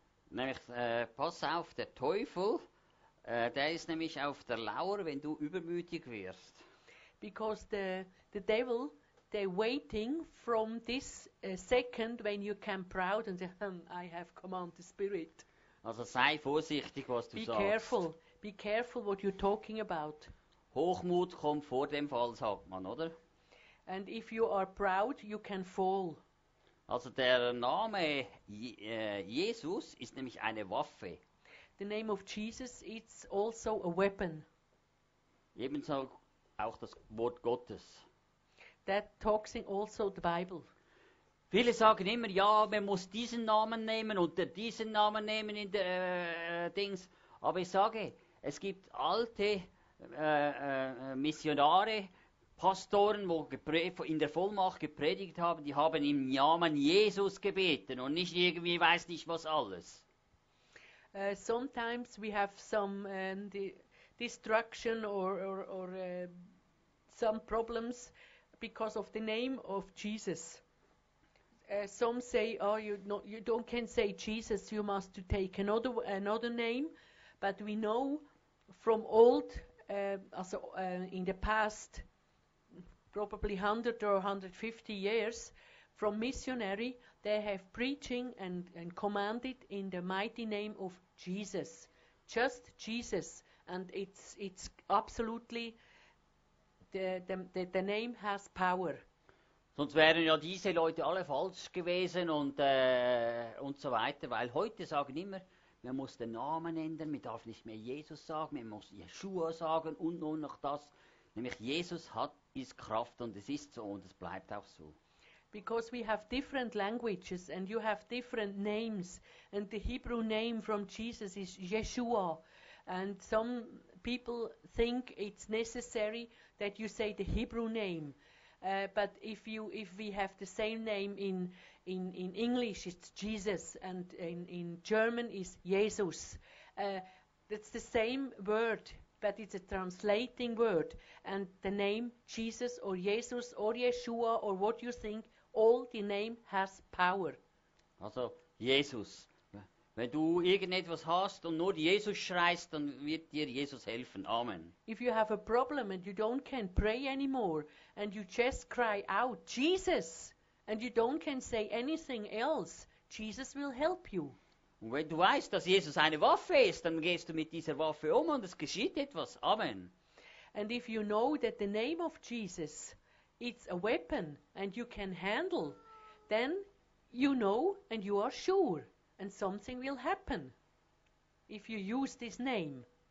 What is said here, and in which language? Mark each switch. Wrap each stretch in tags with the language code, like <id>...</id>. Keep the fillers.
<de>Nämlich, pass auf, der Teufel der ist nämlich auf der Lauer, wenn du übermütig wirst.</de> <en>Because the, the devil, they waiting from this uh, second when you come proud and say, hm, I have command the spirit.</en> <de>Also sei vorsichtig, was du be sagst.</de> <en>Be careful, be careful what you're talking about.</en> <de>Hochmut kommt vor dem Fall, sagt man, oder?</de> <en>And if you are proud, you can fall.</en> <de>Also der Name Je- Jesus ist nämlich eine Waffe</de> <en>the name of Jesus it's also a weapon.</en> <de>Ebenso auch das Wort Gottes.</de> <en>That talks in also the Bible.</en> <de>Viele sagen immer, ja, man muss diesen Namen nehmen und diesen Namen nehmen in der Dings. Uh, uh, Aber ich sage, es gibt alte uh, Missionare, Pastoren, die in der Vollmacht gepredigt haben, die haben im Namen Jesus gebeten und nicht irgendwie weiß nicht was alles.</de> <en>Uh, sometimes we have some um, di- destruction or, or, or uh, some problems because of the name of Jesus. Uh, some say, "Oh, not, you, don't can say Jesus. You must take another, w- another name." But we know from old, also, in the past, probably 100 or 150 years, from missionary they have preaching and, and, commanded in the mighty name of Jesus, just Jesus, and it's, it's absolutely the, the, the, the name has power.</en> <de>Sonst wären ja diese Leute alle falsch gewesen und äh, und so weiter, weil heute sagen immer, man muss den Namen ändern, man darf nicht mehr Jesus sagen, man muss Yeshua sagen und nur noch das, nämlich Jesus hat ist Kraft und es ist so und es bleibt auch so.</de> <en>because we have different languages and you have different names. And the Hebrew name from Jesus is Yeshua. And some people think it's necessary that you say the Hebrew name. Uh, but if you if we have the same name in in, in English it's Jesus and in, in German is Jesus. That's uh, the same word, but it's a translating word. And the name Jesus or Jesus or Yeshua or what you think all the name has power. Also Jesus. Yeah.</en> <de>Wenn du irgendetwas hast und nur Jesus schreist, dann wird dir Jesus helfen. Amen.</de> <en>If you have a problem and you don't can pray anymore and you just cry out Jesus and you don't can say anything else, Jesus will help you.</en> <de>Und wenn du weißt, Jesus eine Waffe ist, dann gehst du mit dieser Waffe um und es geschieht etwas. Amen.</de> <en>And if you know that the name of Jesus it's a weapon and you can handle, then you know and you are sure and something will happen if you use this name.</en>